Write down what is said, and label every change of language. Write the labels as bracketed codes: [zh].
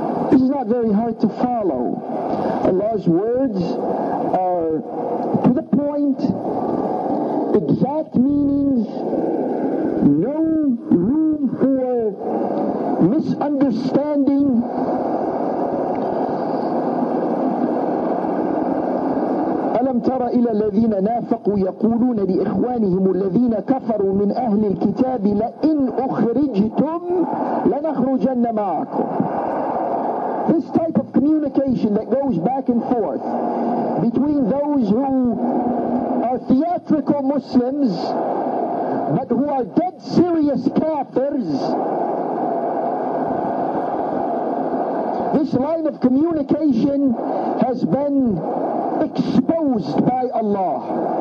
[en] This is not very hard to follow. Allah's words are to the point, exact meanings, no room for misunderstanding. [ar] ألم تر إلى الذين نافقوا يقولون لإخوانهم الذين كفروا من أهل الكتاب لئن أخرجتم لنخرجن معكم. [en] This type of communication that goes back and forth between those who are theatrical Muslims but who are dead serious kafirs, this line of communication has been exposed by Allah.